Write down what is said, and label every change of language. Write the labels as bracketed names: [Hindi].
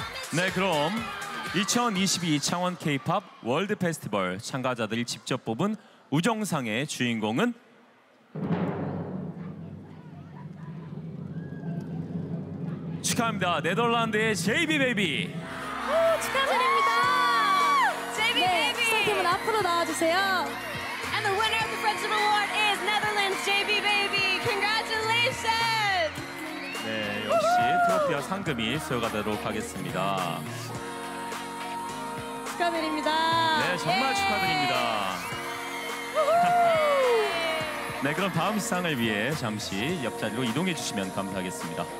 [Korean] 네, 그럼 2022 창원 K-POP 월드 페스티벌 참가자들이 직접 뽑은 우정상의 주인공은 축하합니다. 네덜란드의 JayB Baby. 오, 축하드립니다. JayB Baby. 네, 수상팀은 앞으로 나와주세요. [English] And the winner of the Friendship Award is Netherlands JayB Baby. Congratulations. [Korean] 네, 역시 트로피와 상금이 수여가 되도록 하겠습니다. 축하드립니다. 네, 정말 예! 축하드립니다. 네, 그럼 다음 시상을 위해 잠시 옆자리로 이동해 주시면 감사하겠습니다.